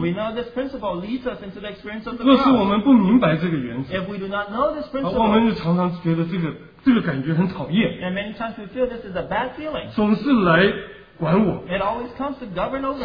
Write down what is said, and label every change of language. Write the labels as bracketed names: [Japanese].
[English] We know this principle leads us into the experience of the cross. [Chinese] 若是我们不明白这个原则, [English] if we do not know this principle, [Chinese] 我们就常常觉得这个感觉很讨厌。 [English] And many times we feel this is a bad feeling. [Chinese] 总是来 [English] It always comes to govern over me.